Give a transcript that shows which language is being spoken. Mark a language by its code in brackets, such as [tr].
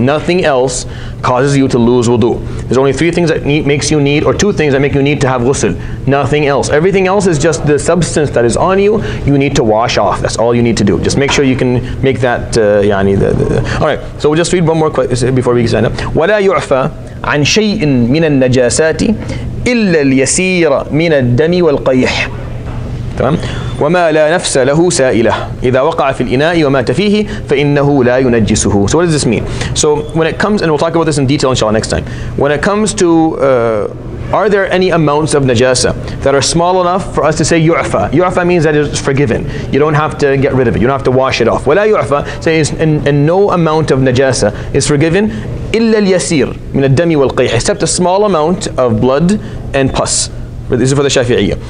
[en] Nothing else causes you to lose wudu. There's only three things that two things that make you need to have ghusl. Nothing else. Everything else is just the substance that is on you. You need to wash off. That's all you need to do. Just make sure you can make that, all right, so we'll just read one more question before we sign up. [ar] وَلَا يُعْفَى عَنْ شَيْءٍ مِنَ النَّجَاسَاتِ إِلَّا الْيَسِيرَ مِنَ الدَّمِ وَالْقَيْحِ تمام؟ وما لا نفس له سائلة إذا وقع في الإناء ومات فيه فإنه لا ينجسه. [en] So what does this mean? So when it comes, and we'll talk about this in detail inshallah next time, when it comes to are there any amounts of najasa that are small enough for us to say yu'fa? Yu'fa means that it's forgiven. You don't have to get rid of it. You don't have to wash it off. [ar] ولا يعفى, [en] say it's, and no amount of najasa is forgiven [ar] إلا اليسير من الدم والقيح, [en] except a small amount of blood and pus. This is for the Shafi'iyya.